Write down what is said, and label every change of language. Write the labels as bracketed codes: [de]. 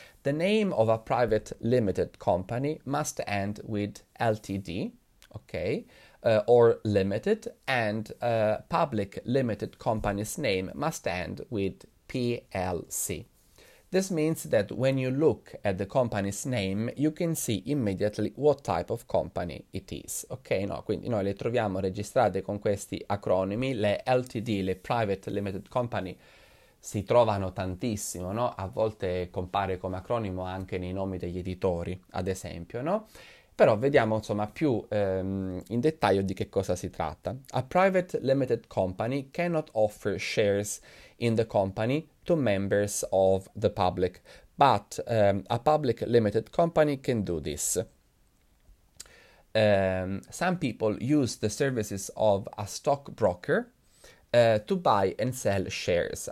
[en] The name of a private limited company must end with LTD, okay, or limited, and a public limited company's name must end with PLC. This means that when you look at the company's name, you can see immediately what type of company it is. [it] Ok, no, quindi noi le troviamo registrate con questi acronimi, le LTD, le private limited company, si trovano tantissimo, no? A volte compare come acronimo anche nei nomi degli editori, ad esempio, no? Però vediamo insomma più in dettaglio di che cosa si tratta. [en] A private limited company cannot offer shares in the company to members of the public, but a public limited company can do this. Some people use the services of a stockbroker to buy and sell shares.